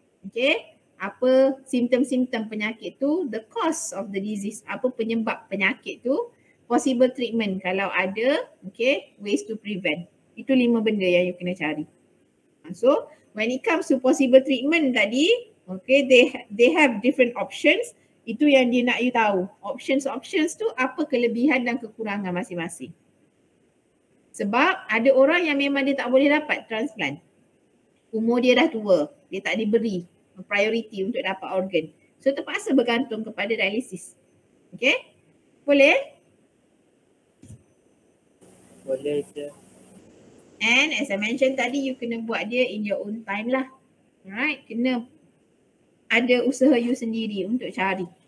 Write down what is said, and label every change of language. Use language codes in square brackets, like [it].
[en] Okay, [ms] apa simptom-simptom penyakit tu, [en] the cause of the disease, [ms] apa penyebab penyakit tu, [en] possible treatment [ms] kalau ada, [en] okay, ways to prevent. [ms] Itu lima benda yang you kena cari. [en] So, when it comes to possible treatment [ms] tadi, [en] okay, they have different options. [ms] Itu yang dia nak you tahu. Options-options tu apa kelebihan dan kekurangan masing-masing. Sebab ada orang yang memang dia tak boleh dapat transplant. Umur dia dah tua, dia tak diberi priority untuk dapat organ. So terpaksa bergantung kepada dialysis. [en] Okay? [ms] Boleh? Boleh je. [en] And as I mentioned [ms] tadi, [en] you [ms] kena buat dia [en] in your own time lah. Alright? Kena [ms] ada usaha you sendiri untuk cari.